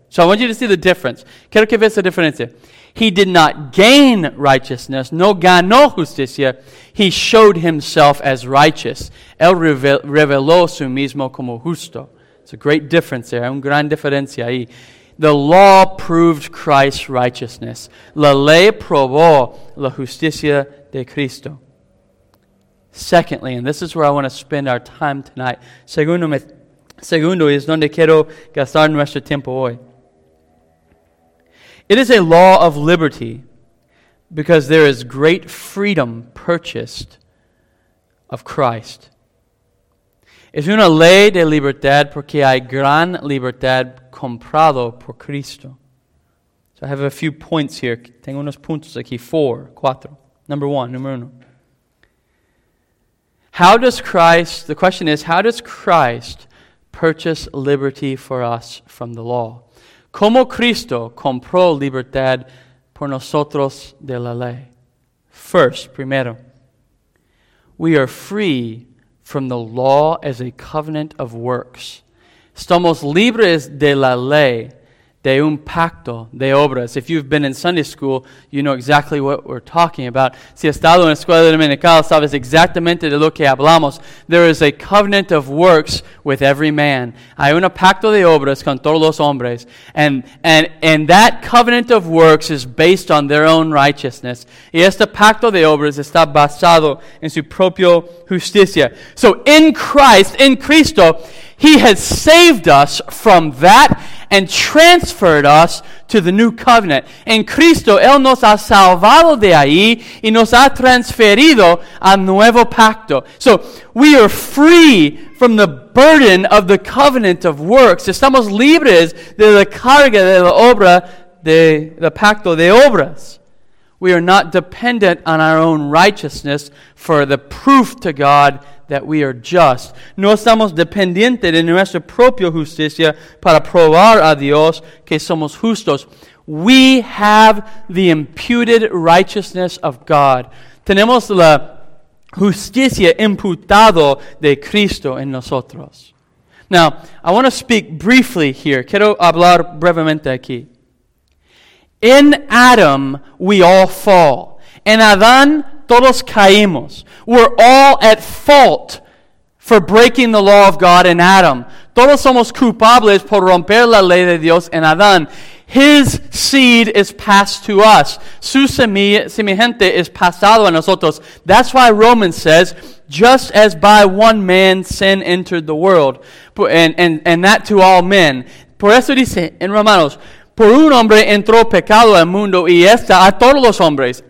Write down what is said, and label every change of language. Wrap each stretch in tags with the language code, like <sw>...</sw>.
<en>So I want you to see the difference.</en> <es>Quiero que veas la diferencia.</es> <en>He did not gain righteousness,</en> <es>no ganó justicia.</es> <en>He showed Himself as righteous.</en> <es>Él reveló su mismo como justo.</es> <en>It's a great difference there.</en> <es>Un gran diferencia ahí.</es> <en>The law proved Christ's righteousness.</en> <es>La ley probó la justicia de Cristo.</es> <en>Secondly, and this is where I want to spend our time tonight.</en> <es>Segundo es donde quiero gastar nuestro tiempo hoy.</es> <en>It is a law of liberty Because there is great freedom purchased of Christ.</en> <es>Es una ley de libertad porque hay gran libertad comprado por Cristo.</es> <en>So I have a few points here.</en> <es>Tengo unos puntos aquí. Número uno.</es> <en>The question is, how does Christ purchase liberty for us from the law?</en> <es>¿Cómo Cristo compró libertad por nosotros de la ley? Primero,</es> <en>we are free from the law as a covenant of works.</en> <es>Estamos libres de la ley, de un pacto de obras.</es> <en>If you've been in Sunday school, you know exactly what we're talking about.</en> <es>Si has estado en escuela dominical, sabes exactamente de lo que hablamos.</es> <en>There is a covenant of works with every man.</en> <es>Hay un pacto de obras con todos los hombres.</es> <en>And that covenant of works is based on their own righteousness.</en> <es>Y este pacto de obras está basado en su propia justicia.</es> <en>So in Christ, in Cristo, He has saved us from that and transferred us to the new covenant.</en> <es>En Cristo, Él nos ha salvado de ahí y nos ha transferido al nuevo pacto.</es> <en>So, we are free from the burden of the covenant of works.</en> <es>Estamos libres de la carga de la obra, de pacto de obras.</es> <en>We are not dependent on our own righteousness for the proof to God that we are just.</en> <es>No estamos dependientes de nuestra propia justicia para probar a Dios que somos justos.</es> <en>We have the imputed righteousness of God.</en> <es>Tenemos la justicia imputado de Cristo en nosotros.</es> <en>Now, I want to speak briefly here.</en> <es>Quiero hablar brevemente aquí.</es> <en>In Adam, we all fall.</en> <es>En Adán, todos caímos.</es> <en>We're all at fault for breaking the law of God in Adam.</en> <es>Todos somos culpables por romper la ley de Dios en Adán.</es> <en>His seed is passed to us.</en> <es>Su semejante es pasado a nosotros.</es> <en>That's why Romans says, just as by one man sin entered the world, and that to all men.</en> <es>Por eso dice en Romanos, por un hombre entró pecado al mundo y esta a todos los hombres.</es>